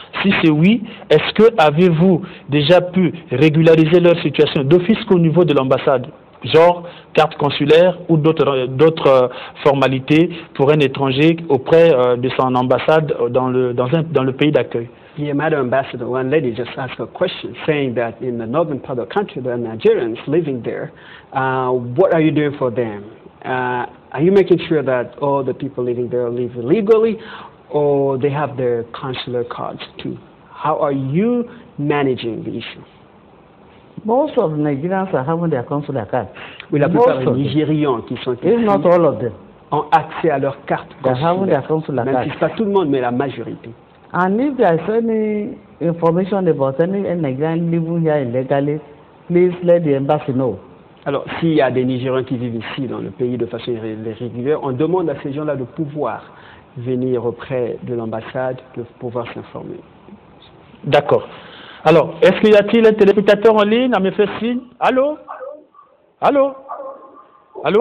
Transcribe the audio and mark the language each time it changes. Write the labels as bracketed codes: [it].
[fr] Si c'est oui, est-ce que avez-vous déjà pu régulariser leur situation d'office qu'au niveau de l'ambassade, genre carte consulaire ou d'autres formalités pour un étranger auprès de son ambassade dans le pays d'accueil? [en] Yeah, Madam Ambassador, one lady just asked a question saying that in the northern part of the country, there are Nigerians living there. What are you doing for them? Are you making sure that all the people living there live illegally or they have their consular cards too? How are you managing the issue? Most of the Nigerians are having their consular cards. [fr] Oui, la plupart des Nigérians qui sont ici. [en] If not all of them. [fr] Ont accès à leur carte consulaire. [en] They're having their consular cards. [fr] Même si c'est pas tout le monde, mais la majorité. [en] And if there is any information about any Nigerian living here illegally, please let the embassy know. [fr] Alors, s'il y a des Nigérians qui vivent ici dans le pays de façon irrégulière, on demande à ces gens-là de pouvoir venir auprès de l'ambassade, de pouvoir s'informer. D'accord. Alors, est-ce qu'il y a-t-il un téléspectateur en ligne à me faire signe? Allô? Allô? Allô?